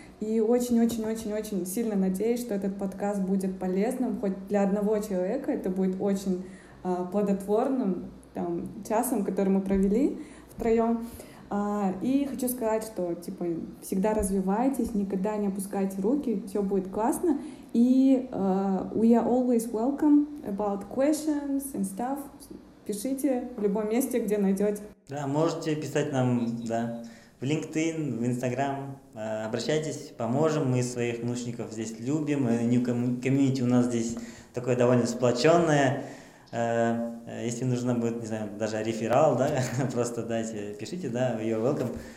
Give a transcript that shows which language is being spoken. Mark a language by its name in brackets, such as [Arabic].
[Russian] И очень-очень-очень-очень сильно надеюсь, что этот подкаст будет полезным. Хоть для одного человека это будет очень плодотворным там, часом, который мы провели втроем. И хочу сказать, что типа всегда развивайтесь, никогда не опускайте руки, все будет классно. [English] И we are always welcome about questions and stuff. [Russian] Пишите в любом месте, где найдете. Да, можете писать нам, да, в LinkedIn, в Instagram. Обращайтесь, поможем. Мы своих внучников здесь любим. New community у нас здесь такое довольно сплоченное. Если нужно будет, не знаю, даже реферал, да, просто дайте, пишите, да, [English] you're welcome.